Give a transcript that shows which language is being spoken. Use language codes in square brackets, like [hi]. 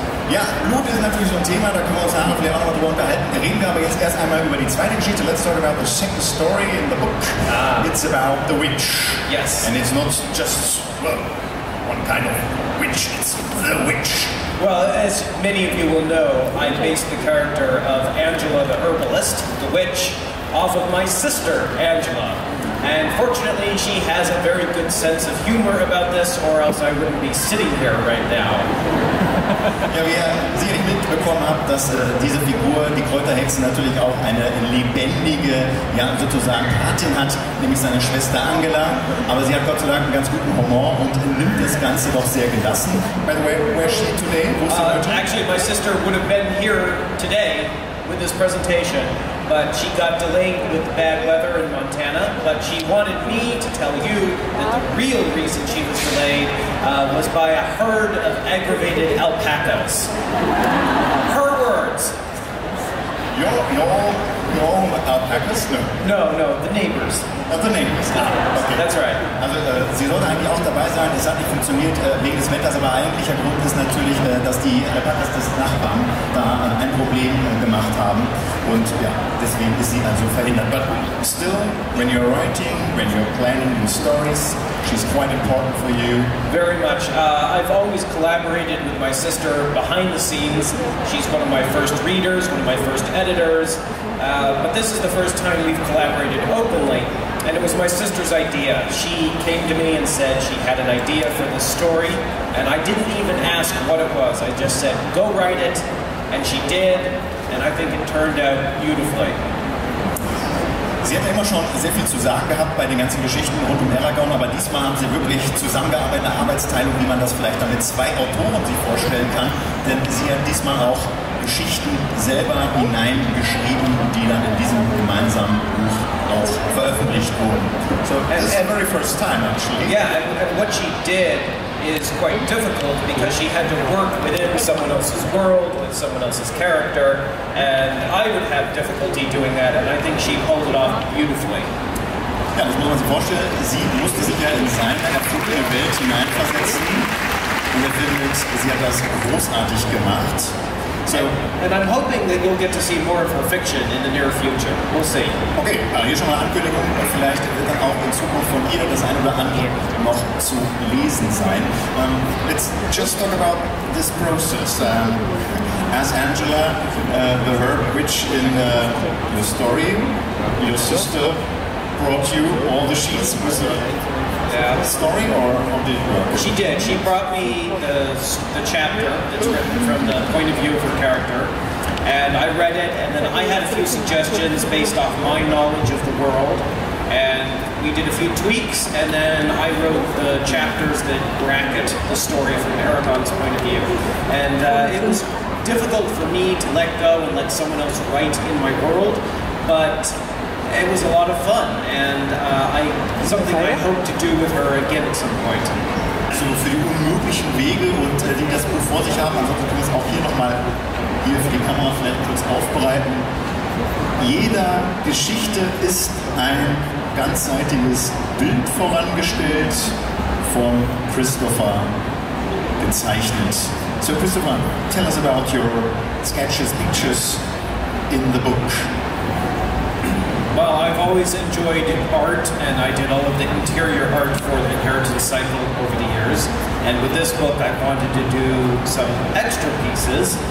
[de] Ja, Blut ist natürlich so ein Thema, da können wir uns nachher vielleicht auch nochmal drüber unterhalten. Reden wir aber jetzt erst einmal über die zweite Geschichte. [en] Let's talk about the second story in the book. It's about the witch. Yes. And it's not just one kind of witch, it's the witch. Well, as many of you will know, I based the character of Angela the Herbalist, the witch, off of my sister, Angela. And fortunately, she has a very good sense of humor about this, or else I wouldn't be sitting here right now. [de] Ja, wie ihr sicherlich mitbekommen habt, dass diese Figur, die Kräuterhexe, natürlich auch eine lebendige, ja, sozusagen Patin hat, nämlich seine Schwester Angela. Aber sie hat Gott sei Dank einen ganz guten Humor und nimmt das Ganze doch sehr gelassen. [en] By the way, where is she today? Actually, my sister would have been here today with this presentation, but she got delayed with the bad weather in Montana, but she wanted me to tell you that the real reason she was delayed was by a herd of aggravated alpacas. Her words. Your own alpacas? No, the neighbors. Oh, the neighbors, ah, okay. That's right. [de] Also, sie sollte eigentlich auch dabei sein, es hat nicht funktioniert wegen des Wetters, aber eigentlicher Grund ist natürlich, dass die Alpacas des Nachbarn da ein Problem gemacht haben. Und ja, deswegen ist sie also verhindert. [en] But still, when you're writing, when you're planning new stories, she's quite important for you. Very much. I've always collaborated with my sister behind the scenes. She's one of my first readers, one of my first editors. But this is the first time we've collaborated openly. And it was my sister's idea. She came to me and said she had an idea for this story. And I didn't even ask what it was. I just said, go write it. And she did. And I think it turned out beautifully. [de] Sie hat immer schon sehr viel zu sagen gehabt bei den ganzen Geschichten rund um Aragorn, aber diesmal haben sie wirklich zusammengearbeitet, eine Arbeitsteilung, wie man das vielleicht dann mit zwei Autoren sich vorstellen kann, denn sie hat diesmal auch Geschichten selber hineingeschrieben, die dann in diesem gemeinsamen Buch auch veröffentlicht wurden. [en] So, it's the very first time, actually. Yeah, and what she did is quite difficult because she had to work within someone else's world, with someone else's character, and I would have difficulty doing that, and I think she pulled it off beautifully. [de] Ja, das muss man sich vorstellen, sie musste sich ja in seine eigene Welt hineinversetzen, und ihr findet, sie hat das großartig gemacht. [en] So, and I'm hoping that you'll get to see more of her fiction in the near future. We'll see. [de] Okay, also hier schon mal Ankündigung. Vielleicht wird dann auch in Zukunft von ihr das eine oder andere noch zu lesen sein. [en] Let's just talk about this process. As Angela, the herb witch in the story, your sister brought you all the sheets with her. Story or did it work? She did. She brought me the chapter that's written from the point of view of her character. And I read it, and then I had a few suggestions based off my knowledge of the world. And we did a few tweaks, and then I wrote the chapters that bracket the story from Aragorn's point of view. And it was difficult for me to let go and let someone else write in my world, but it was a lot of fun, and something I hope to do with her again at some point. [de] So, für die unmöglichen Wege und die das Buch vor sich haben, ansonsten können wir es auch hier nochmal hier für die Kamera vielleicht kurz aufbereiten. Jeder Geschichte ist ein ganzseitiges Bild vorangestellt, von Christopher gezeichnet. [en] So, Christopher, tell us about your sketches, pictures in the book. Well, I've always enjoyed art, and I did all of the interior art for the Inheritance Cycle over the years. And with this book, I wanted to do some extra pieces.